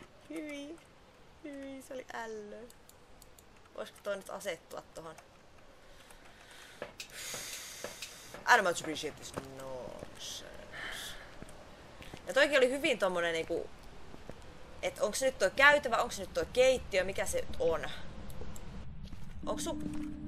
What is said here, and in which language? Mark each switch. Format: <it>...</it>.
<fi>Hyvi, se oli ällö. Voisko toi nyt asettua tohon?</fi> <en>I don't much appreciate this nonsense.</en> <fi>Ja toikin oli hyvin tommonen niinku, et onks nyt toi käytävä, onks nyt toi keittiö, mikä se nyt on? Onks sun...</fi>